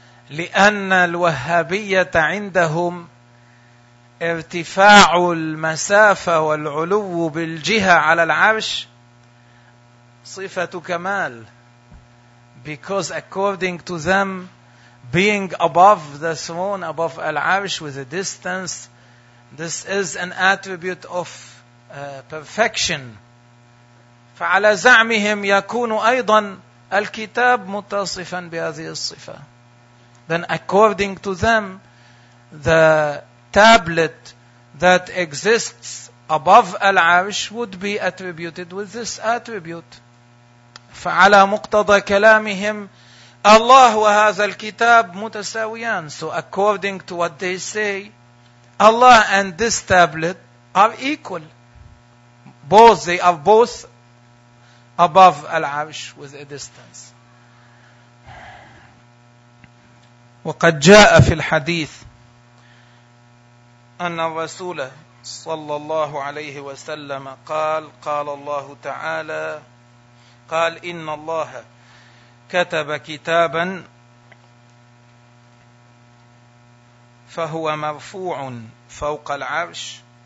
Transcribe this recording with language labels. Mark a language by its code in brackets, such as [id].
[ar] لأن الوهابية عندهم ارتفاع المسافة والعلو بالجهة على العرش صفة كمال. [en] Because according to them, being above the throne, above Al-Arsh with a distance, this is an attribute of perfection. [ar] فعلى زعمهم يكون أيضا الكتاب متصفا بهذه الصفة. [en] Then according to them, the tablet that exists above Al-Arsh would be attributed with this attribute. [ar] فعلى مقتضى كلامهم الله وهذا الكتاب متساويان. [en] So according to what they say, Allah and this tablet are equal. Both, they are both above Al-Arsh with a distance. [ar] وقد جاء في الحديث أن الرسول صلى الله عليه وسلم قال قال الله تعالى قال إن الله كتب كتابا فهو مرفوع فوق العرش